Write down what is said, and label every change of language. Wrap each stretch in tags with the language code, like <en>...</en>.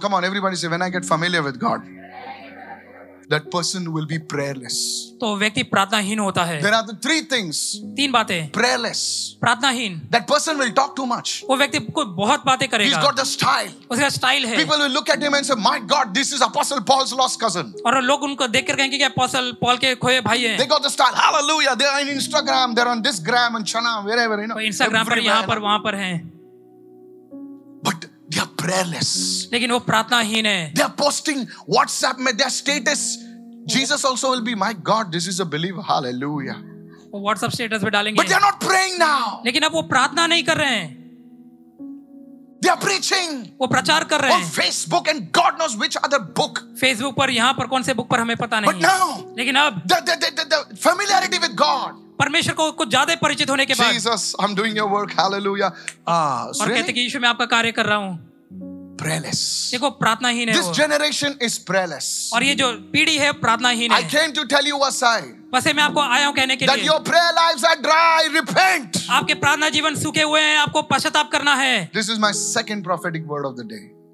<en>Come on, everybody say, when I get familiar with God, that person will be prayerless.</en> <hi>तो व्यक्ति प्रार्थनाहीन होता है.</hi> <en>There are the 3 things.</en> <hi>3 बातें.</hi> <en>Prayerless.</en> <hi>प्रार्थनाहीन.</hi> <en>That person will talk too much.</en> <hi>वो व्यक्ति को बहुत बातें करेगा.</hi> <en>He's got the style.</en> <hi>उसका स्टाइल है.</hi> <en>People will look at him and say, my God, this is Apostle Paul's lost cousin.</en> <hi>और लोग उनको देखकर कहेंगे कि अपोस्टल पॉल के खोए भाई हैं.</hi> <en>They got the style. Hallelujah. They are on Instagram. They are on this gram and chana wherever, you know.</en> <hi>Instagram पर यहाँ पर वहाँ पर हैं.</hi> <en>But they are prayerless.</en> <hi>लेकिन वो प्रार्थनाहीन है.</hi> <en>They are posting WhatsApp में their status. Jesus also will be, my God, this is a believer. Hallelujah.</en> <hi>वो WhatsApp status पे डालेंगे.</hi> <en>But they are not praying now.</en> <hi>लेकिन अब वो प्रार्थना नहीं कर रहे हैं.</hi> <en>They are preaching.</en> <hi>वो प्रचार कर रहे हैं.</hi> <en>On Facebook and God knows which other book.</en> <hi>Facebook पर यहाँ पर कौन से book पर हमें पता नहीं.</hi> <en>But now.</en> <hi>लेकिन अब.</hi> <en>The familiarity with God.</en> <hi>परमेश्वर को कुछ ज्यादा परिचित होने के बाद</hi> <en>Jesus, I'm doing your work. Hallelujah.</en> <hi>और कहते कि यीशु मैं आपका कार्य कर रहा हूँ.</hi> <en>prayerless.</en> <hi>देखो प्रार्थना ही नहीं</hi> <en>This generation is prayerless.</en> <hi>और ये जो पीढ़ी है प्रार्थना ही नहीं</hi> <en>I came to tell you a sign.</en> <hi>वैसे मैं आपको आया हूँ कहने के लिए.</hi> <en>That your prayer lives are dry. Repent.</en> <hi>आपके प्रार्थना जीवन सूखे हुए हैं. आपको पश्चाताप करना है.</hi> <en>This is my second prophetic word of the day.</en>